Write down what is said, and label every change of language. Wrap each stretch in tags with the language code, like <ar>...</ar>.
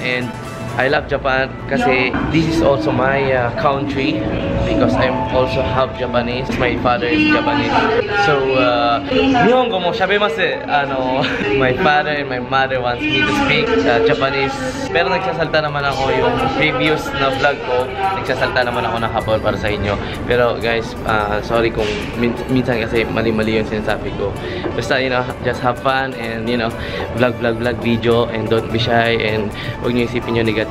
<en>And I love Japan kasi this is also my country because I'm also half Japanese. My father is Japanese. So,</en> <ja>Nihongo mo shabemasu.</ja> <en>My father and my mother wants me to speak Japanese.</en> <tl>Pero nagsasalta naman ako yung previous na vlog ko. Nagsasalta naman ako ng Hapon para sa inyo. Pero guys, sorry kung minsan kasi mali-mali yung sinasabi ko.</tl> <en>Basta, you know, just have fun and, you know, vlog video and don't be shy and</en> <tl>huwag nyo isipin nyo negative.</tl>